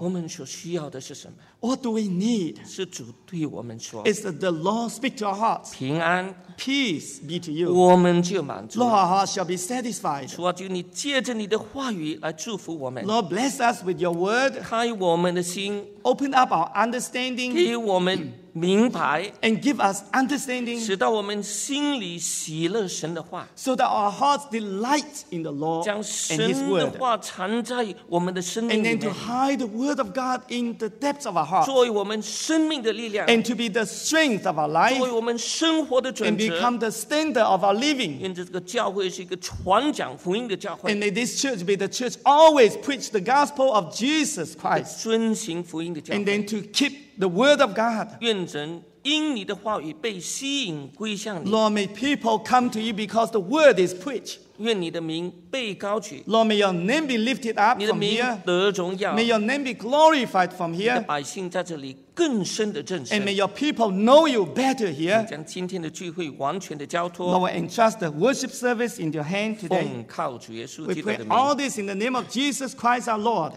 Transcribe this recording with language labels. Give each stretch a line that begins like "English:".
Chinese: 我们所需要的是什么？
English: What do we need?
Chinese: 是主对我们说。
English: Is that the Lord speak to our hearts?
Chinese: 平安。
English: Peace be to you.
Chinese: 我们就满足。
English: Lord, our hearts shall be satisfied.
Chinese: 主啊，求你借着你的话语来祝福我们。
English: Lord, bless us with your word.
Chinese: 开我们的心。
English: Open up our understanding.
Chinese: 给我们明白
English: and give us understanding,
Chinese: 使到我们心里喜乐神的话
English: so that our hearts delight in the Lord and His word,
Chinese: 将神的话藏在我们的生命里面
English: and then to hide the word of God in the depths of our heart,
Chinese: 作为我们生命的力量
English: and to be the strength of our life,
Chinese: 作为我们生活的准则
English: and become the standard of our living,
Chinese: 因为这个教会是一个传讲福音的教会
English: and may this church be the church always preach the gospel of Jesus Christ,
Chinese: 遵行福音的教会
English: and then to keep the word of God,
Chinese: 愿神因你的话语被吸引归向你。
English: Lord, may people come to you because the word is preached.
Chinese: 愿你的名被高举。
English: Lord, may your name be lifted up from here.
Chinese: 你的名得荣耀。
English: May your name be glorified from here.
Chinese: 你的百姓在这里更深的认识。
English: And may your people know you better here.
Chinese: 你将今天的聚会完全的交托。
English: Lord, we entrust the worship service into your hand today.
Chinese: 奉靠主耶稣基督的名。
English: We pray all this in the name of Jesus Christ our Lord.